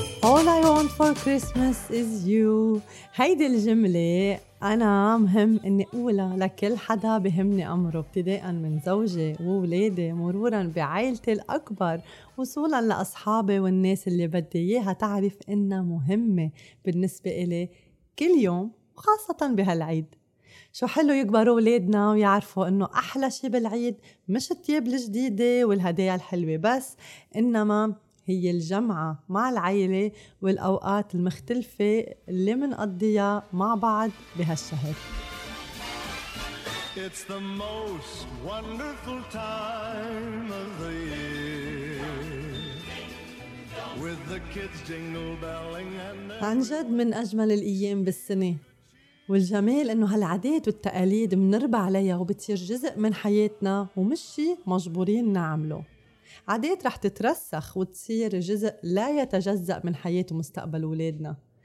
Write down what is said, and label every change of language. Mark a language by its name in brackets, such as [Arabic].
[English] All I want for Christmas is you. [Arabic] هيدي الجملة أنا مهم أني أقولها لكل حدا بهمني أمره، ابتداء من زوجي وولادي، مرورا بعائلتي الأكبر، وصولا لأصحابي والناس اللي بدي إياها تعرف أنها مهمة بالنسبة إلي كل يوم، وخاصة بهالعيد. شو حلو يكبروا ولادنا ويعرفوا أنه أحلى شي بالعيد مش التياب الجديدة والهدايا الحلوة بس، إنما هي الجمعة مع العيلة والأوقات المختلفة اللي منقضيها مع بعض بهالشهر. [English] It's the most wonderful time of the year. With the kids jingle belling and [Arabic] عن جد من أجمل الأيام بالسنة، والجمال إنه هالعادات والتقاليد منربى عليها وبتصير جزء من حياتنا ومش شي مجبورين نعمله. عادات رح تترسخ وتصير جزء لا يتجزأ من حياة ومستقبل ولادنا.